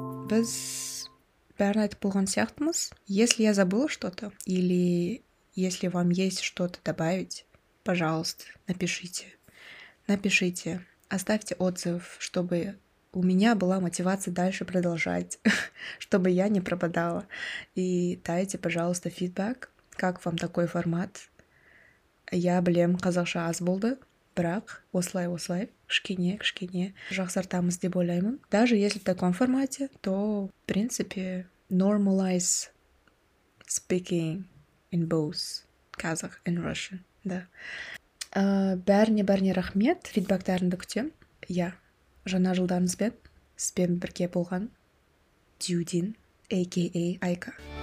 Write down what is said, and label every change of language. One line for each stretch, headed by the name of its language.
Kazakh: Біз бәрін айтып болған сияқтымыз.
Russian: Если я забыла что-то, или если вам есть что-то добавить, пожалуйста, напишите. Напишите, оставьте отзыв, чтобы у меня была мотивация дальше продолжать, чтобы я не пропадала. И дайте, пожалуйста, фидбэк, как вам такой формат. Я, блин,
Kazakh: казахша аз болды, бірақ осылай-осылай, кішкене-кішкене жақсартамыз деп ойлаймын.
Russian: Даже если в таком формате, то, в принципе,
English: normalize speaking in both Kazakh and Russian,
Russian: да.
Kazakh: бәріне бәріне рахмет, фидбактарыңды күтемін. Иә, жаңа жылдарыңызбен сізбен бірге болған Дюдин, а.к.а. Айка.